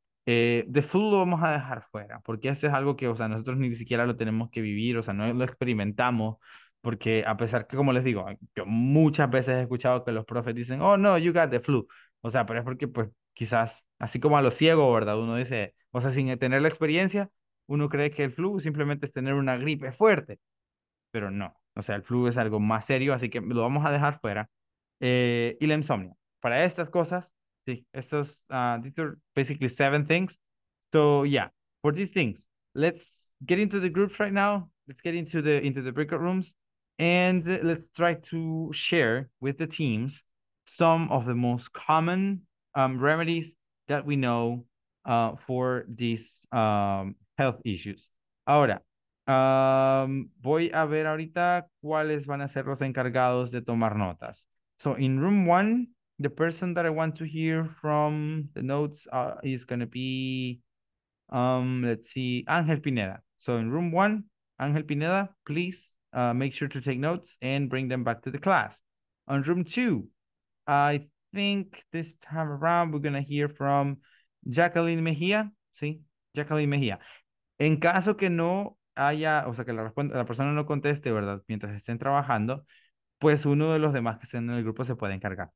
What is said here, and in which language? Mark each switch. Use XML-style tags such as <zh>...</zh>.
<es>De flu lo vamos a dejar fuera, porque eso es algo que, o sea, nosotros ni siquiera lo tenemos que vivir, o sea, no lo experimentamos, porque a pesar que, como les digo, yo muchas veces he escuchado que los profes dicen,</es> <en>oh no, you got the flu,</en> <es>o sea, pero es porque, pues, quizás, así como a lo ciego, ¿verdad? Uno dice, o sea, sin tener la experiencia, uno cree que el flu simplemente es tener una gripe fuerte, pero no, o sea, el flu es algo más serio, así que lo vamos a dejar fuera. Y la insomnia, para estas cosas, sí, estos,</es> <en>these are basically seven things, so yeah, for these things, let's get into the groups right now, let's get into the breakout rooms, and let's try to share with the teams some of the most common remedies that we know for these health issues.</en> <es>Ahora, voy a ver ahorita cuáles van a ser los encargados de tomar notas.</es> <en>So in room one, the person that I want to hear from the notes is going to be, let's see, Ángel Pineda. So in room one, Ángel Pineda, please make sure to take notes and bring them back to the class. On room two, I think this time around we're going to hear from Jacqueline Mejía.</en> <es>Sí, Jacqueline Mejía. En caso que no haya, o sea, que la persona no conteste, ¿verdad? Mientras estén trabajando, pues uno de los demás que estén en el grupo se puede encargar.</es>